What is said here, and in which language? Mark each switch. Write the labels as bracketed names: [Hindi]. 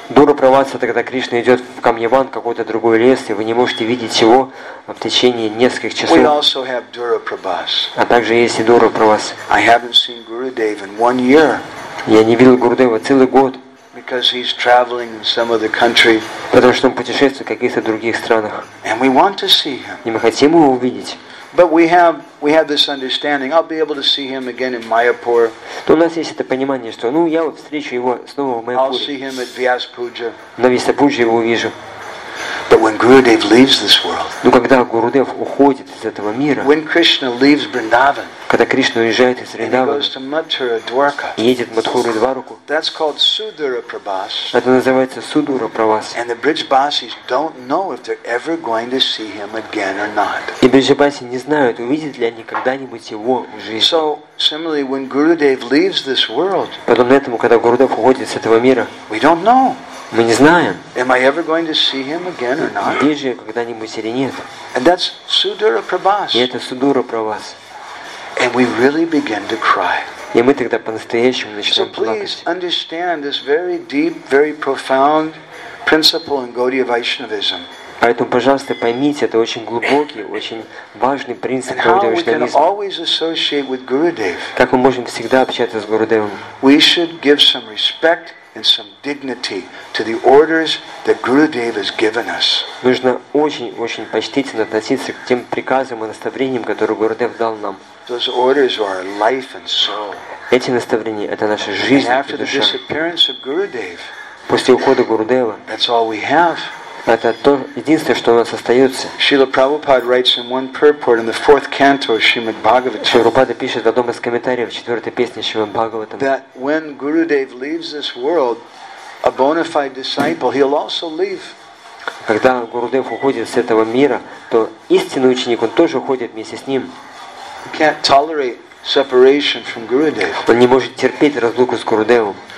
[Russian] Дура прабас это когда Кришна идет в Камьяван, какой-то другой лес, и вы не можете видеть его в течение нескольких часов. [English] We also have dura prabhas. [Russian] А также есть и дура прабас. [English] I haven't seen Gurudev in 1 year. [Russian] Я не видел Гурудева целый год. [English] Because he's traveling in some other country. [Russian] Потому что он путешествует в каких-то других странах. [English] And we want to see him. [Russian] И мы хотим его увидеть. [English] But we have this understanding. I'll be able to see him again in Mayapur. [Russian] Но у нас есть это понимание, что, ну, я вот встречу его снова в Майяпуре. [English] I'll see him at Vyas Puja. [Russian] На Вьяспуджа его увижу. [English] But when Gurudev leaves this world. [Russian] Но когда Гурудев уходит из этого мира. [English] When Krishna leaves Vrindavan. [Russian] Когда Кришна уезжает из Вриндавана и едет в Матхуру и Дварку, это называется Судура Прабас. И Бриджабаси не знают, увидят ли они когда-нибудь его в жизни. [English] So, similarly, when Gurudev leaves this world, [Russian] потом этому, когда Гурудев уходит с этого мира, [English] we don't know. [Russian] Мы не знаем, [English] am I ever going to see him again or not? [Russian] Где же я когда-нибудь или нет. [English] And that's Sudura Prabas. [Russian] И это Судура Прабас. [English] And we really begin to cry. [Russian] И мы тогда по-настоящему начинаем плакать. [English] So please understand this very deep, very profound principle in Gaudiya Vaishnavism. [Russian] Поэтому, пожалуйста, поймите, это очень глубокий, очень важный принцип Гаудия Вайшнавизма. [English] And how we can always associate with Gurudev. [Russian] Как мы можем всегда общаться с Гурудевом? [English] We should give some respect and some dignity to the orders that Gurudev has given us. [Russian] Нужно очень-очень почтительно относиться к тем приказам и наставлениям, которые Гурудев дал нам. [English] Those orders are our life and soul. [Russian] Эти наставления – это наша жизнь и душа. [English] After the disappearance of Gurudev, [Russian] после ухода Гурудева, [English] that's all we have. [Russian] Это то единственное, что у нас остается. [English] Srila Prabhupada writes in one purport in the fourth canto of Srimad Bhagavatam. [Russian] Srila Prabhupada пишет в одном из комментариев в четвертой песне Шримад Бхагаватам. [English] That when Gurudev leaves this world, a bona fide disciple, he'll also leave. [Russian] Когда Гурудев уходит с этого мира, то истинный ученик он тоже уходит вместе с ним. [English] He can't tolerate separation from Gurudev. [Russian] Он не может терпеть разлуку с Гурудевом.